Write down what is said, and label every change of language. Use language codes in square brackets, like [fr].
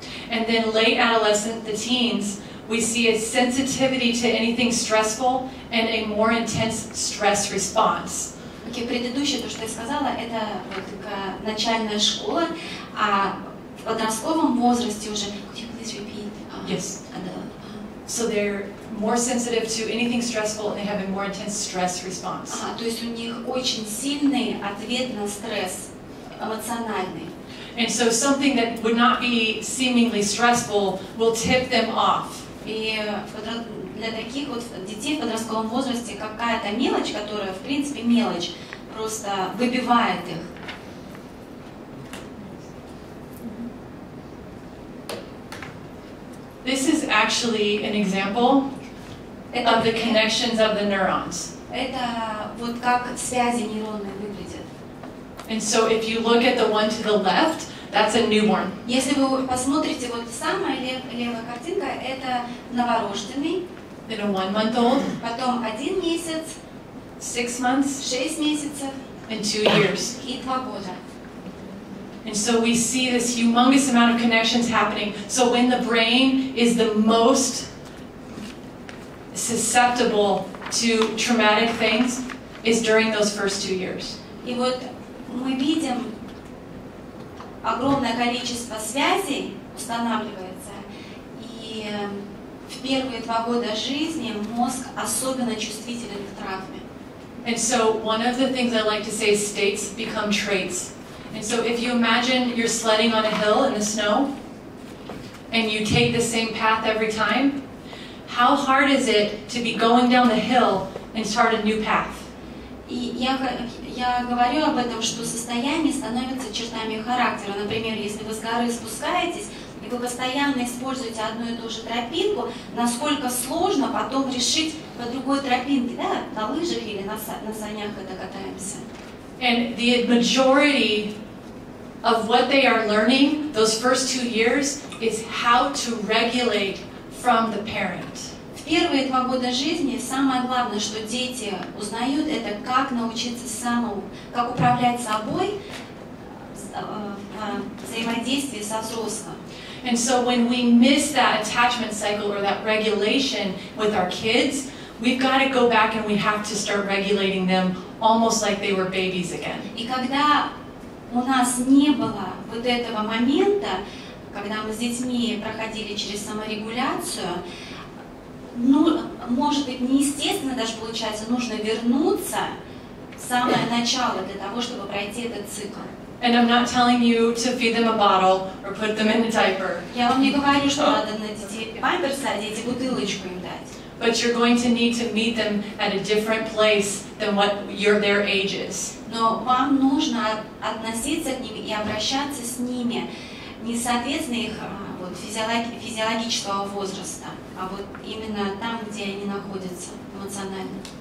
[en] And then late adolescent, the teens, we see a sensitivity to anything stressful and a more intense stress response. [ru] Okay, предыдущее, то, что я сказала, это вот такая начальная школа, а в подростковом возрасте уже... [en] Could you please repeat? Yes. So they're more sensitive to anything stressful and they have a more intense stress response. [ru] А, то есть у них очень сильный ответ на стресс, эмоциональный. [en] And so something that would not be seemingly stressful will tip them off. [ru] И для таких вот детей в подростковом возрасте какая-то мелочь, которая, в принципе, мелочь, просто выбивает их. [en] This is actually an example of the connections of the neurons. [ru] Это вот как связи нейронные выглядят. [en] And so if you look at the one to the left, that's a newborn. [ru] Если вы посмотрите, вот самая левая картинка, это новорожденный. [en] Then a 1-month-old. [ru] Потом 1 месяц. [en] 6 months. [ru] 6 месяцев. [en] And 2 years. [ru] И 2 года. [en] And so we see this humongous amount of connections happening. So when the brain is the most susceptible to traumatic things, is during those first 2 years. [ru] И вот мы видим огромное количество связей устанавливается, и в первые 2 года жизни мозг особенно чувствителен к травме. [en] And so one of the things I like to say is states become traits. And so if you imagine you're sledding on a hill in the snow and you take the same path every time, how hard is it to be going down the hill and start a new path? [ru] Я говорю об этом, что состояние становится чертами характера. Например, если вы с горы спускаетесь, и вы постоянно используете одну и ту же тропинку, насколько сложно потом решить по другой тропинке, да, на лыжах или на санях это катаемся. [en] And the majority of what they are learning those first 2 years is how to regulate from the parent. [ru] В первые два года жизни самое главное, что дети узнают, это как научиться самому, как управлять собой в взаимодействии со взрослым. [en] And so when we miss that attachment cycle or that regulation with our kids, we've got to go back and we have to start regulating them almost like they were babies again. [ru] И когда у нас не было вот этого момента, когда мы с детьми проходили через саморегуляцию, ну, может быть, неестественно даже получается, нужно вернуться в самое начало для того, чтобы пройти этот цикл. [en] And I'm not telling you to feed them a bottle or put them in a diaper. [ru] Я вам не говорю, что надо на детей памперс садить и бутылочку им дать. [en] But you're going to need to meet them at a different place than what your their age is. [ru] Но вам нужно относиться к ним и обращаться с ними не соответственно их вот физиологического возраста, а вот именно там, где они находятся эмоционально.